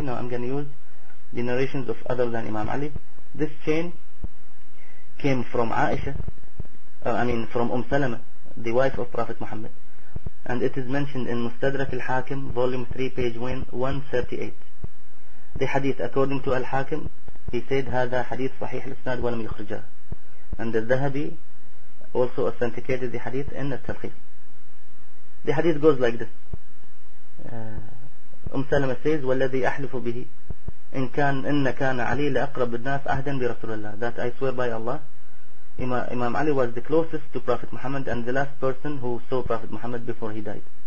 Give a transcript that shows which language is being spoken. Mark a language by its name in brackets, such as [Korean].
[English] No, I'm going to use the narrations of other than Imam Ali. This chain came from Aisha, from Salama, the wife of Prophet Muhammad. And it is mentioned in Mustadrak al-Hakim, volume 3, page 138. The hadith, according to al-Hakim, he said, [Arabic] هذا حديث صحيح الاسناد ولم يخرجه. [English] And al-Dhahabi also authenticated the hadith in al-Talqif. The hadith goes like this. [Arabic] سلمة says, والذي أحلف به إن كان إن كان علي لأقرب الناس عهدا برسول الله. [English] That I swear by Allah, Imam Ali was the closest to Prophet Muhammad and the last person who saw Prophet Muhammad before he died.